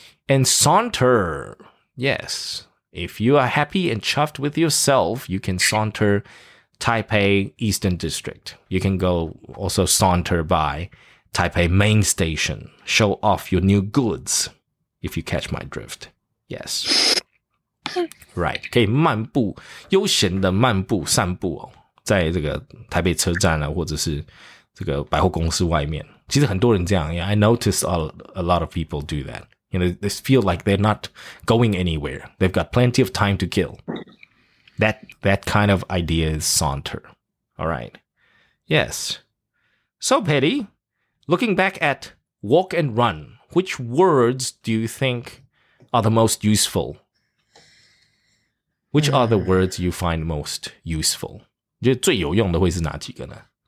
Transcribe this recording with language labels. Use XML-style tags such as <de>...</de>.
<en>And saunter. Yes. If you are happy and chuffed with yourself, you can saunter Taipei Eastern District. You can go also saunter by Taipei Main Station. Show off your new goods, if you catch my drift. Yes. Right.</en> <zh>可以漫步，悠闲的漫步、散步哦，在这个台北车站啊，或者是这个百货公司外面。</zh> <en>其实很多人这样，I notice a lot of people do that. You know, they feel like they're not going anywhere. They've got plenty of time to kill. That kind of idea is saunter. All right. Yes. So, Petty, looking back at walk and run, which words do you think are the most useful? Which are the words you find most useful?</en> <zh>你觉得最有用的会是哪几个呢</zh>